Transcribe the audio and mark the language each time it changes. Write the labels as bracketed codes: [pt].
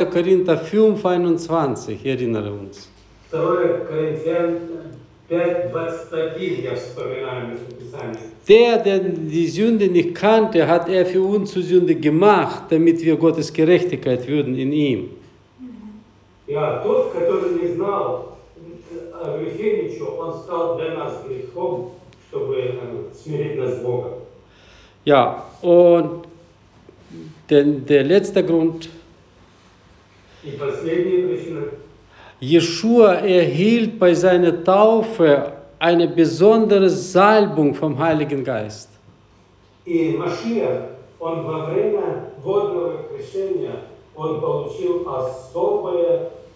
[de] Korinther 5, 21. Ich erinnere uns. 2. Korinther 5, 21. Der die Sünde nicht kannte, hat er für uns zur Sünde gemacht, damit wir Gottes Gerechtigkeit würden in ihm. [ru] Ja, тот, который не знал о грехе ничего, он стал для нас грехом, чтобы смирить нас с Богом. [de] Ja, und der letzte Grund. [ru] И последняя причина. [de] Yeshua erhielt bei seiner Taufe eine besondere Salbung vom Heiligen Geist. [ru] И Машия, он во время водного крещения, он получил особое.